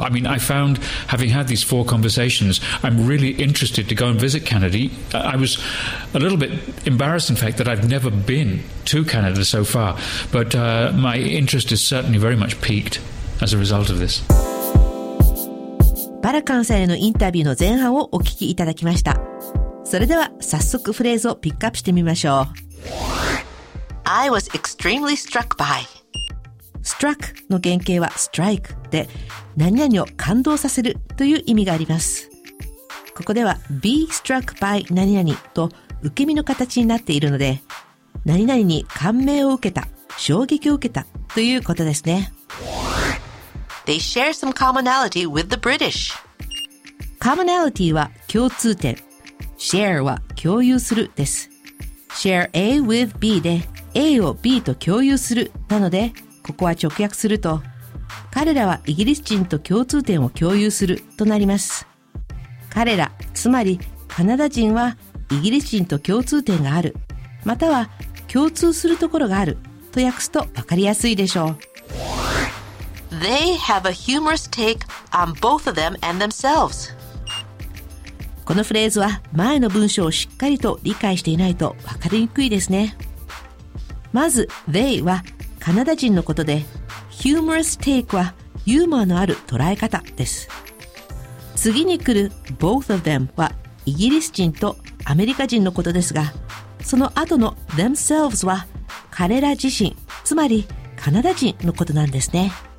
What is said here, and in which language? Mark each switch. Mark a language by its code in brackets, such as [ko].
[en] I mean, I found, having had these four conversations, I'm really interested to go and visit Canada. I was a little bit embarrassed, in fact, that I've never been to Canada so far. But my interest is certainly very much piqued as a result of this. [ja] バラカンさんへのインタビューの前半をお聞きいただきました。それでは早速フレーズをピックアップしてみましょう。 [en] I was extremely struck by。 [ja] Struck の原型は strike で、何々を感動させるという意味があります。ここでは be struck by 何々と受け身の形になっているので、何々に感銘を受けた、衝撃を受けたということですね。 [en] They share some commonality with the British. [ja] Commonality は共通点。Share は共有するです。 [en] Share A with B [ja] で、A を B と共有する。なので、ここは直訳すると、彼らはイギリス人と共通点を共有するとなります。彼ら、つまりカナダ人はイギリス人と共通点がある。または共通するところがあると訳すと分かりやすいでしょう。 [en] They have a humorous take on both of them and themselves. [ja] このフレーズは前の文章をしっかりと理解していないと分かりにくいですね。まず they はカナダ人のことで、 humorous take はユーモアのある捉え方です。次に来る [en] both of them [ja] はイギリス人とアメリカ人のことですが、その後の themselves は彼ら自身、つまりカナダ人のことなんですね。